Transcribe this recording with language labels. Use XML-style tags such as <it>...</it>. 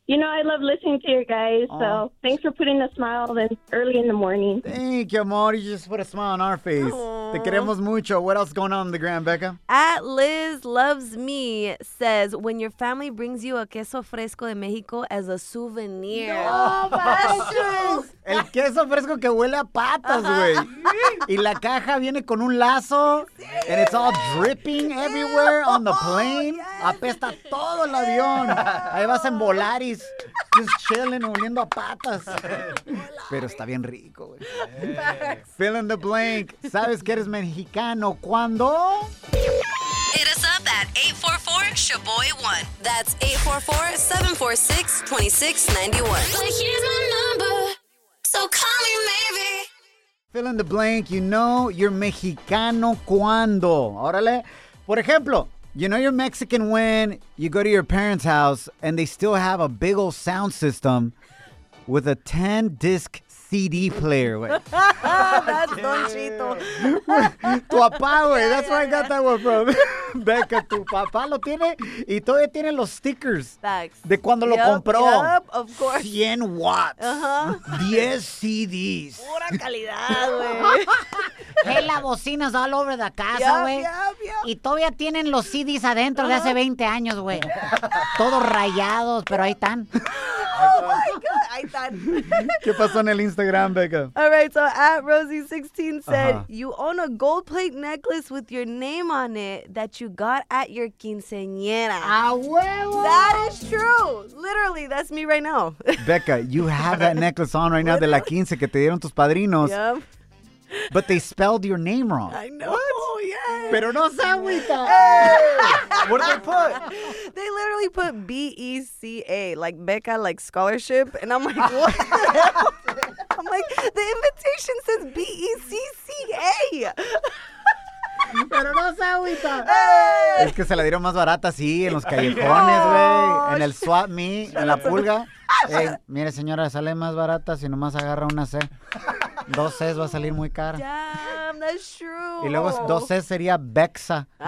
<en>You know, I love listening to you guys. Aww. So thanks for putting a smile in early in the morning. Thank you, amor. You just put a smile on our face. Aww.</en> <es>Te queremos mucho.</es> <en>What else is going on the gram, Becca? At Liz Loves Me says, when your family brings you a</en> <es>queso fresco de México</es> <en>as a souvenir.</en> <es>No, el queso fresco que huele a patas, güey. Uh-huh. Y la caja viene con un lazo. Sí.</es> <en>And it's all dripping everywhere. Ew. On the plane. Oh, yes.</en> <es>Apesta todo el avión. Ew. Ahí vas en Volaris.</es> <en>Just chilling,</en> <es>oliendo a patas. Pero está bien rico, güey.</es> <en>Fill in the blank.</en> <es>¿Sabes que eres mexicano cuando?</es> <en>Hit us up at 844-SHABOY1. That's 844-746-2691. But here's my number. So call me, maybe. Fill in the blank. You know you're</en> <es>Mexicano cuando. Órale. Por ejemplo,</es> <en>you know you're Mexican when you go to your parents' house and they still have a big old sound system with a 10-disc CD player. That's Don Chito.</en> <es>Tu papá, güey.</es> <en>Yeah, that's where I got that one from.</en> <es>Becca, tu papá lo tiene y todavía tiene los stickers.</es> <en>Facts.</en> <es>De cuando lo compró.</es> <en>Yep, of course. 100 watts. Uh-huh. 10 CDs.</en> <es>Pura calidad, güey. Hela bocinas</es> <en>all over the</en> <es>casa, güey.</es> <en>Yep.</en> <es>Y todavía tienen los CDs adentro de hace 20 años, güey. Todos rayados, pero ahí están.</es> <en>Oh, my God.</en> <es>Ahí están. ¿Qué pasó en el Instagram, Becca?</es> <en>All right, so at Rosie16 said, you own a gold plate necklace with your name on it that you got at your quinceañera.</en> <es>A huevo.</es> <en>That is true. Literally, that's me right now. Becca, you have that necklace on right now</en> <es>de la quince que te dieron tus padrinos.</es> <en>Yep. But they spelled your name wrong. I know. What? Oh, yeah.</en> <es>Pero no se agüita.</es> <en>What did they put? They literally put B-E-C-A, like Becca, like scholarship. And I'm like, what the hell? I'm like, the invitation says B-E-C-C-A.</en> <es>Pero no se agüita. Es que se la dieron más barata, sí, en los callejones, güey. Oh, en el swap me, en la pulga. Hey, mire, señora, sale más barata si nomás agarra una C. Dos C's va a salir muy cara.</es> <en>Damn, that's true.</en> <es>Y luego dos C's sería Bexa.</es>